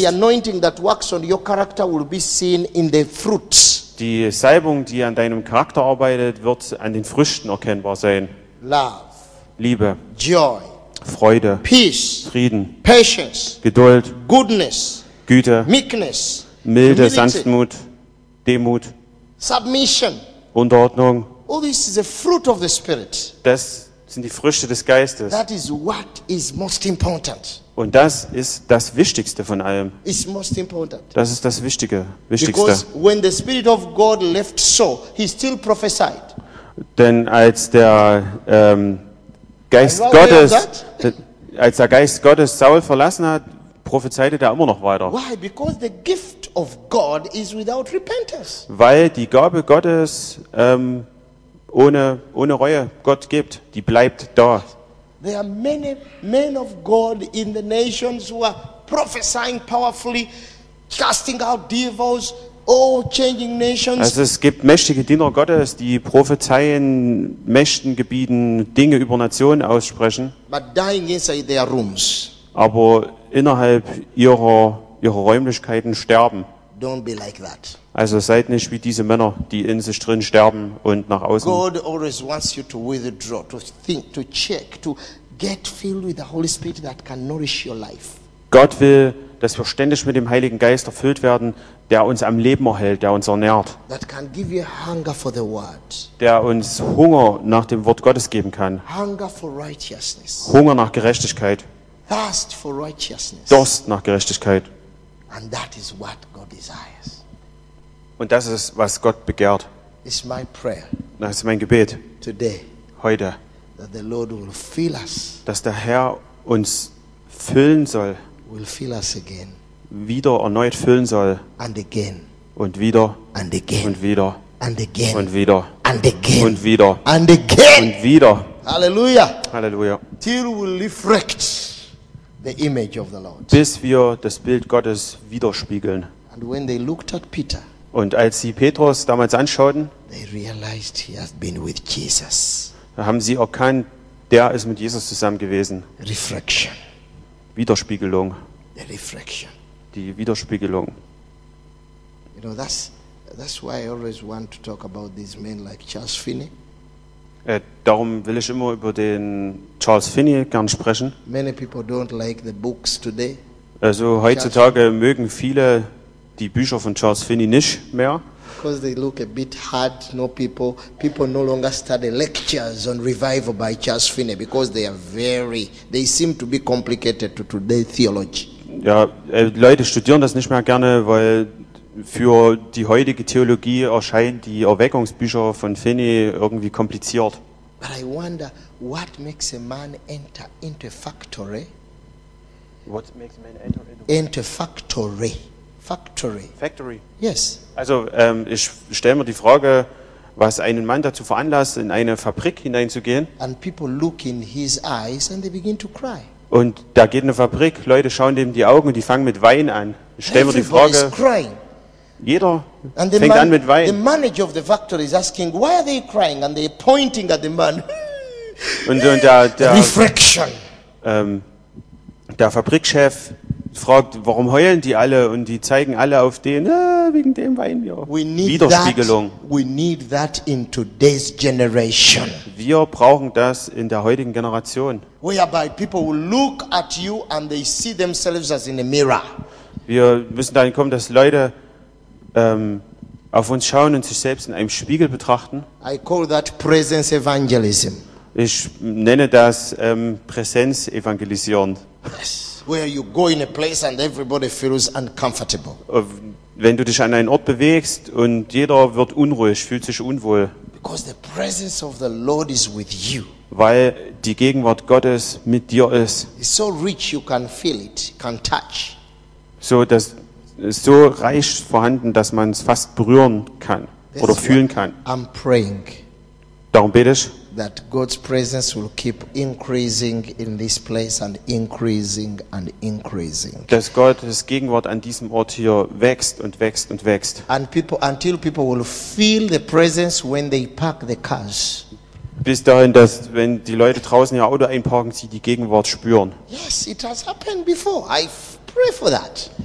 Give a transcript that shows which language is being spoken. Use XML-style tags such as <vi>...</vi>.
<en>The anointing that works on your character will be seen in the fruits.</en> <de>die Salbung, die an deinem Charakter arbeitet, wird an den Früchten erkennbar sein.</de> <en>Love,</en> <de>Liebe,</de> <en>Joy,</en> <de>Freude,</de> <en>Peace,</en> <de>Frieden,</de> <en>Patience,</en> <de>Geduld,</de> <en>Goodness,</en> <de>Güte,</de> <en>Meekness,</en> <de>Milde,</de> <en>Humility,</en> <de>Sanftmut, Demut,</de> <en>Submission,</en> <de>Unterordnung.</de> <en>All this is a fruit of the Spirit.</en> <de>Das sind die Früchte des Geistes.</de> <en>That is what is most important.</en> <de>Und das ist das Wichtigste von allem.</de> <en>It's most important.</en> <de>Das ist das Wichtige, Wichtigste.</de> <en>Because when the Spirit of God left Saul, he still prophesied.</en> <de>Denn als der Geist Gottes, als der Geist Gottes Saul verlassen hat, prophezeite er immer noch weiter.</de> <en>Why? Because the gift of God is without repentance.</en> <de>Weil die Gabe Gottes ohne Reue Gott gibt, die bleibt da.</de> <en>There are many men of God in the nations who are prophesying powerfully, casting out devils, all changing nations.</en> <de>Also es gibt mächtige Diener Gottes, die prophezeien, Mächten gebieten, Dinge über Nationen aussprechen.</de> <en>But dying inside their rooms.</en> <de>Aber innerhalb ihrer Räumlichkeiten sterben.</de> <en>Don't be like that.</en> <de>Also seid nicht wie diese Männer, die in sich drin sterben und nach außen.</de> <en>God always wants you to withdraw, to think, to check, to get filled with the Holy Spirit that can nourish your life.</en> <de>Gott will, dass wir ständig mit dem Heiligen Geist erfüllt werden, der uns am Leben erhält, der uns ernährt.</de> <en>That can give you hunger for the word.</en> <de>Der uns Hunger nach dem Wort Gottes geben kann.</de> <en>Hunger for righteousness.</en> <de>Hunger nach Gerechtigkeit.</de> <en>Thirst for righteousness.</en> <de>Durst nach Gerechtigkeit.</de> <en>And that is what God desires.</en> <de>Und das ist, was Gott begehrt.</de> <en>It's my prayer.</en> <de>Das ist mein Gebet.</de> <en>Today.</en> <de>Heute.</de> <en>That the Lord will fill us.</en> <de>Dass der Herr uns füllen soll.</de> <en>Will fill us again.</en> <de>Wieder erneut füllen soll.</de> <en>And again.</en> <de>Und wieder.</de> <en>And again.</en> <de>Und wieder.</de> <en>And again.</en> <de>Und wieder.</de> <en>And again.</en> <de>Und wieder.</de> <en>And again.</en> <de>Und wieder. Halleluja. Halleluja.</de> <en>Till we reflect the image of the Lord.</en> <de>Bis wir das Bild Gottes widerspiegeln.</de> <en>And when they looked at Peter.</en> <de>Und als sie Petrus damals anschauten,</de> <en>they realized he has been with Jesus.</en> <de>Da haben sie erkannt, der ist mit Jesus zusammen gewesen.</de> <en>Refraction.</en> <de>Widerspiegelung.</de> <en>The refraction.</en> <de>Die Widerspiegelung.</de> <en>You know, that's why I always want to talk about these men like Charles Finney.</en> <de>Darum will ich immer über den Charles Finney gern sprechen.</de> <en>Many people don't like the books today.</en> <de>Also heutzutage Charles mögen viele die Bücher von Charles Finney nicht mehr.</de> <en>Because they look a bit hard, no people. People no longer study lectures on revival by Charles Finney because they seem to be complicated to today theology.</en> <de>Ja, Leute studieren das nicht mehr gerne, weil für die heutige Theologie erscheinen die Erweckungsbücher von Finney irgendwie kompliziert.</de> <en>But I wonder what makes a man enter into a factory? What makes a man enter into a factory? Factory. Factory. Yes.</en> <de>Also ich stelle mir die Frage, was einen Mann dazu veranlasst, in eine Fabrik hineinzugehen.</de> <en>And people look in his eyes and they begin to cry.</en> <de>Und da geht eine Fabrik, Leute schauen dem die Augen und die fangen mit Weinen an. Ich stelle mir die Frage. Jeder</de> <en>and</en> <de>fängt</de> <en>man,</en> <de>an mit Weinen.</de> <en>The manager of the factory is asking, why are they crying? And they're pointing at the man.</en> <de>Und der</de> <en>Reflection.</en> <de>Der Fabrikchef fragt, warum heulen die alle? Und die zeigen alle auf den, wegen dem weinen wir.</de> <en>We need</en> <de>Widerspiegelung.</de> <en>We need that in today's generation.</en> <de>Wir brauchen das in der heutigen Generation.</de> <en>Whereby people will look at you and they see themselves as in a mirror.</en> <de>Wir müssen dahin kommen, dass Leute auf uns schauen und sich selbst in einem Spiegel betrachten.</de> <en>I call that presence evangelism.</en> <de>Ich nenne das Präsenz evangelisieren.</de> <en>Yes. Where you go in a place and everybody feels uncomfortable.</en> <de>Wenn du dich an einen Ort bewegst und jeder wird unruhig, fühlt sich unwohl.</de> <en>Because the presence of the Lord is with you.</en> <de>Weil die Gegenwart Gottes mit dir ist.</de> <en>It's so rich you can feel it, can touch.</en> <de>So dass ist so reich vorhanden, dass man es fast berühren kann oder fühlen kann.</de> <en>I'm praying,</en> <de>darum bete ich,</de> <en>that God's presence will keep increasing in this place and increasing and increasing.</en> <de>Dass Gottes Gegenwart an diesem Ort hier wächst und wächst und wächst.</de> <en>And people, until people will feel the presence when they park the cars.</en> <de>Bis dahin, dass wenn die Leute draußen ihr Auto einparken, sie die Gegenwart spüren.</de> <en>Yes, it has happened before. I pray for that.</en>